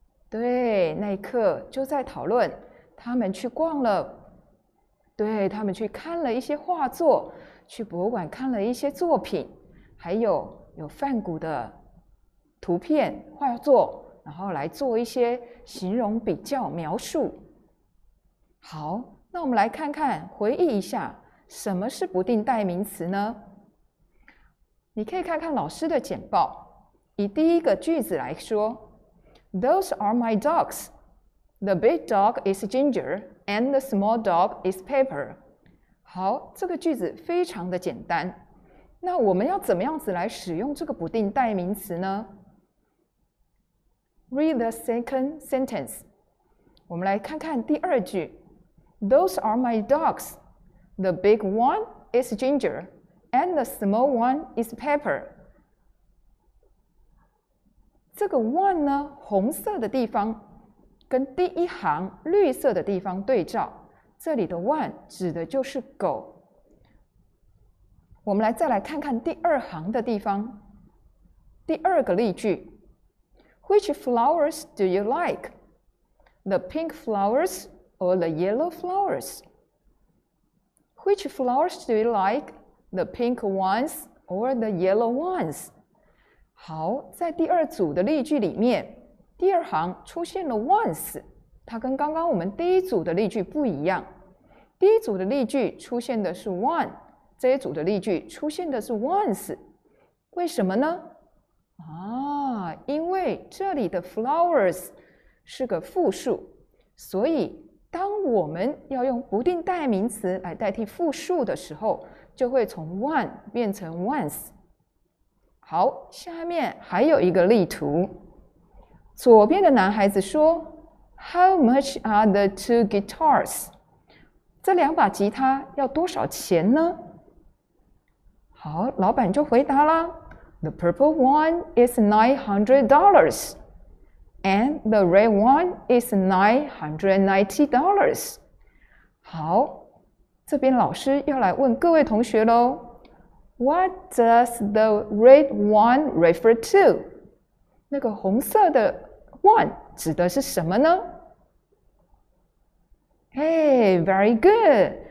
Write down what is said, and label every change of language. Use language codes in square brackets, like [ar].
[zh] 对，那一课就在讨论他们去逛了，对，他们去看了一些画作，去博物馆看了一些作品，还有有梵谷的图片画作，然后来做一些形容比较描述。好，那我们来看看，回忆一下，什么是不定代名词呢？你可以看看老师的简报。以第一个句子来说 ， [en] Those are my dogs. The big dog is Ginger, and the small dog is Pepper. [zh] 好，这个句子非常的简单。那我们要怎么样子来使用这个不定代名词呢？ [en] Read the second sentence. [zh] 我们来看看第二句。 [en] Those are my dogs. The big one is Ginger, and the small one is Pepper. [zh] 这个 one 呢，红色的地方跟第一行绿色的地方对照，这里的 one 指的就是狗。我们来再来看看第二行的地方，第二个例句。 [en] Which flowers do you like? The pink flowers or the yellow flowers? Which flowers do you like, the pink ones or the yellow ones? [zh] 好，在第二组的例句里面，第二行出现了 once， 它跟刚刚我们第一组的例句不一样。第一组的例句出现的是 one， 这一组的例句出现的是 once， 为什么呢？啊，因为这里的 flowers 是个复数，所以当我们要用不定代名词来代替复数的时候，就会从 one 变成 once。好，下面还有一个例图。左边的男孩子说 ： [en] “How much are the two guitars？” [zh] 这两把吉他要多少钱呢？好，老板就回答了 [en] ：“The purple one is $900, and the red one is $990。” [zh] 好，这边老师要来问各位同学喽。 [en] What does the red one refer to? [zh] 那个红色的 one 指的是什么呢？ [en] Hey, very good.